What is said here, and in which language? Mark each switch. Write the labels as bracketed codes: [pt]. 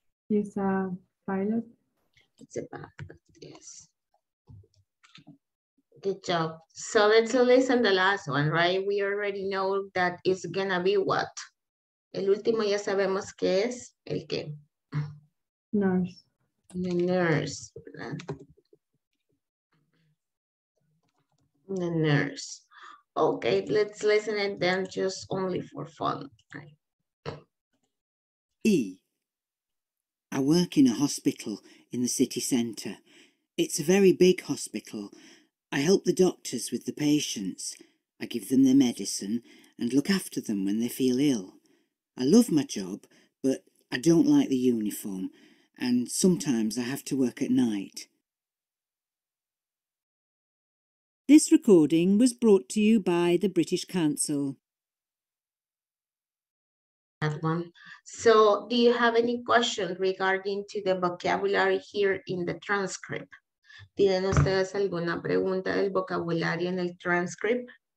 [en] It's a pilot. It's a pilot, yes. Good job. So let's listen to the last one, right? We already know that it's gonna be what? [es] El último ya sabemos que es el qué? [en] Nurse. The nurse. The nurse. Okay, let's listen it then just only for fun. E. I work in a hospital in the city center. It's a very big hospital. I help the doctors with the patients. I give them their medicine and look after them when they feel ill. I love my job, but I don't like the uniform, and sometimes I have to work at night. This recording was brought to you by the British Council. That one. So, do you have any questions regarding to the vocabulary here in the transcript? [es] ¿Tienen ustedes alguna pregunta del vocabulario en el transcript?